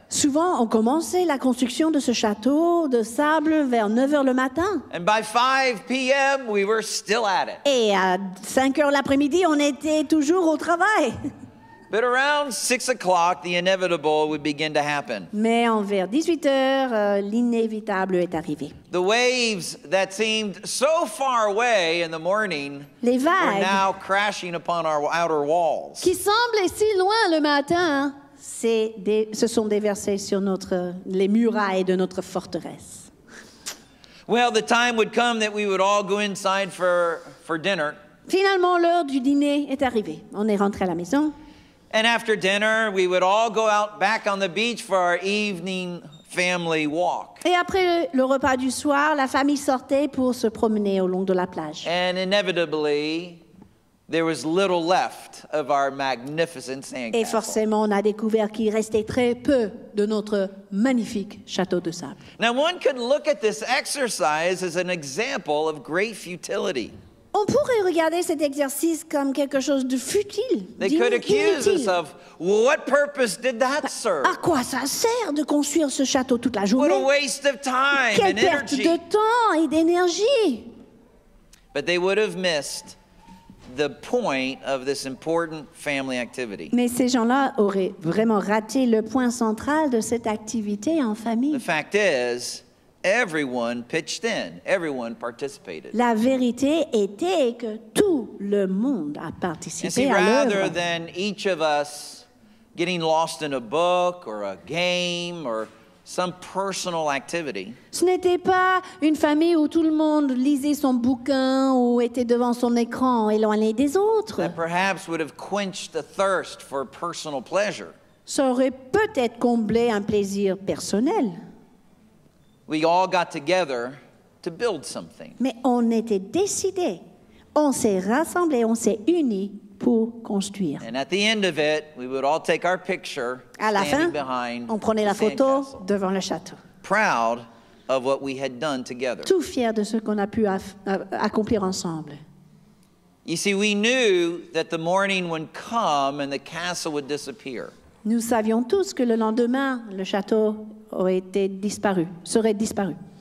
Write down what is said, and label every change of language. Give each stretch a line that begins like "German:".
French: Souvent, on commençait la construction de ce château de sable vers 9 heures le matin.
English: And by 5 p.m., we were still at it.
French: Et à 5 heures l'après-midi, on était toujours au travail.
English: But around 6 o'clock, the inevitable would begin to happen.
French: Mais en vers 18 heures, l'inévitable est arrivé.
English: The waves that seemed so far away in the morning were now crashing upon our outer walls.
French: Qui semblaient si loin le matin, se sont déversées sur les murailles de notre forteresse.
English: Well, the time would come that we would all go inside for dinner.
French: Finalement, l'heure du dîner est arrivée. On est rentré à la maison.
English: And after dinner, we would all go out back on the beach for our evening family walk.
French: Et après le repas du soir, la famille sortait pour se promener au long de la plage.
English: And inevitably, There was little left of our magnificent sandcastle.
French: Et forcément, on a découvert qu'il restait très peu de notre magnifique château de sable.
English: Now, one could look at this exercise as an example of great futility.
French: On pourrait regarder cet exercice comme quelque chose de futile.
English: They could accuse us of, what purpose did that serve?
French: À quoi ça sert de construire ce château toute la journée?
English: What a waste of time and energy.
French: Quelle perte de temps et d'énergie.
English: But they would have missed the point of this important family activity.
French: Mais ces gens-là auraient vraiment raté le point central de cette activité en famille.
English: The fact is, everyone pitched in. Everyone participated.
French: La vérité était que tout le monde a participé à l'œuvre.
English: And see, rather than each of us getting lost in a book or a game or some personal activity.
French: Ce n'était pas une famille où tout le monde lisait son bouquin ou était devant son écran éloigné des autres.
English: That perhaps would have quenched the thirst for personal pleasure.
French: Ça aurait peut-être comblé un plaisir personnel.
English: We all got together to build something.
French: Mais on était décidés. On s'est rassemblés, on s'est unis pour construire.
English: And at the end of it, we would all take our picture standing behind the sandcastle.
French: À la fin, on prenait la photo devant le château.
English: Proud of what we had done together.
French: Tout fier de ce qu'on a pu accomplir ensemble.
English: You see, we knew that the morning would come and the castle would disappear.
French: Nous savions tous que le lendemain, le château aurait été disparu, serait disparu.